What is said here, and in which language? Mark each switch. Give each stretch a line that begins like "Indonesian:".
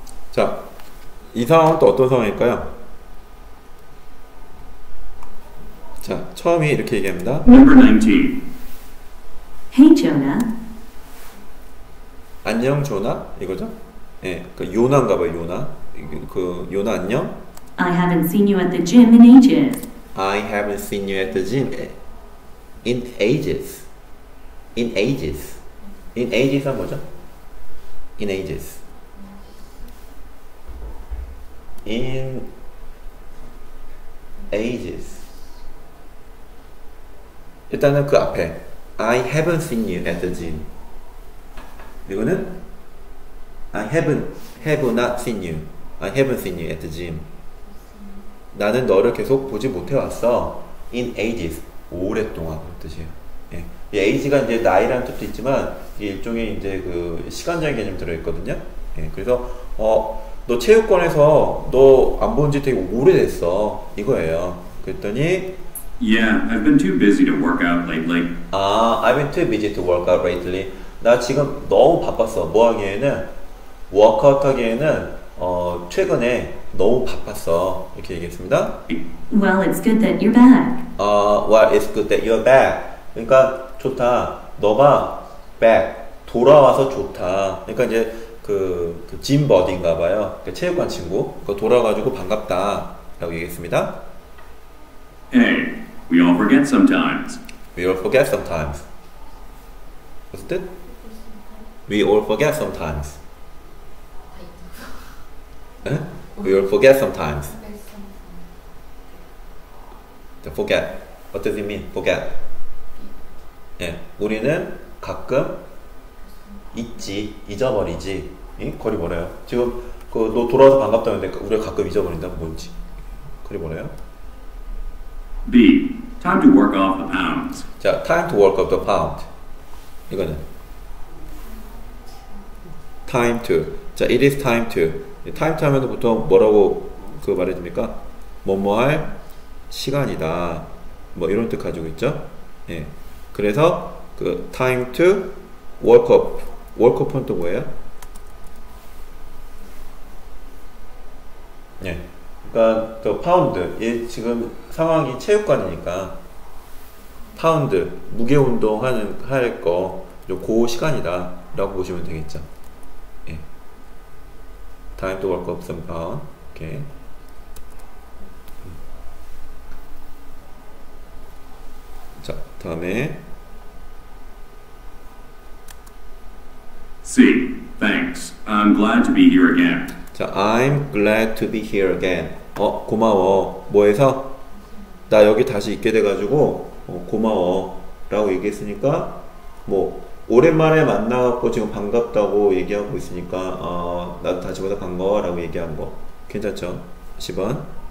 Korean: 자, 이 상황은 또 어떤 상황일까요? 자, 처음에 이렇게 얘기합니다.
English: Number 19. Hey, Jonah.
Korean: 안녕, 조나? 이거죠? 예, 그 요나인가 봐요, 요나. 그 요나 안녕?
English: I haven't seen you at the gym in ages. I haven't seen you at the gym. In ages. In ages. In ages
Korean: 한 뭐죠?
English: In ages. In ages.
Korean: 일단은 그 앞에
English: I haven't seen you at the gym.
Korean: 이거는
English: I have not seen you. I haven't seen you at the gym.
Korean: 나는 너를 계속 보지 못해 왔어.
English: In ages.
Korean: 오랫동안 뜻이에요. 예. 이 age가 이제 나이라는 뜻도 있지만 이게 일종의 이제 그 시간적인 개념 들어있거든요. 예. 그래서 너 체육관에서 너 안 본 지 되게 오래됐어. 이거예요. 그랬더니
English: Yeah, I've been too busy to work out lately. 아, I've been too busy to work out lately.
Korean: 나 지금 너무 바빴어. 뭐 하기에는? 워크아웃 하기에는 최근에 너무 바빴어. 이렇게 얘기했습니다.
English: Well, it's good that you're back. Well, it's good that you're back.
Korean: 그러니까 좋다. 너가 back. 돌아와서 좋다. 그러니까 이제 그 짐 버디인가 봐요. 그러니까 체육관 친구. 그거 돌아와가지고 반갑다. 라고 얘기했습니다.
English: Hey, we all forget sometimes. We all forget sometimes. What's that? We all forget sometimes. We all forget sometimes. The forget. What does it mean? Forget.
Korean: 예, 우리는 가끔 잊지, 잊어버리지. 예? 거리 멀어요. 지금 그 너 돌아와서 반갑다는데 우리가 가끔 잊어버린다 뭔지. 거리 멀어요.
English: B. Time to work off the pounds. 자, time to work off the pound.
Korean: 이거는
English: time to. 자, it is time to.
Korean: time to 하면 보통 뭐라고 그 말해줍니까? 뭐뭐할 시간이다. 뭐 이런 뜻 가지고 있죠. 예. 그래서 그
English: time to work off.
Korean: work off은 또 뭐예요? 예. 그러니까 또 파운드, 이 지금 상황이 체육관이니까 파운드, 무게 운동하는 할 거, 그 시간이다 라고 보시면 되겠죠. 예.
English: Time to work up some pound.
Korean: 오케이. 자, 다음에
English: C. Thanks. I'm glad to be here again. 자, I'm glad to be here again.
Korean: 고마워. 뭐해서? 나 여기 다시 있게 돼가지고 고마워 라고 얘기했으니까 뭐 오랜만에 만나갖고 지금 반갑다고 얘기하고 있으니까 나도 다시 보다 반가워 라고 얘기한 거 괜찮죠? 10번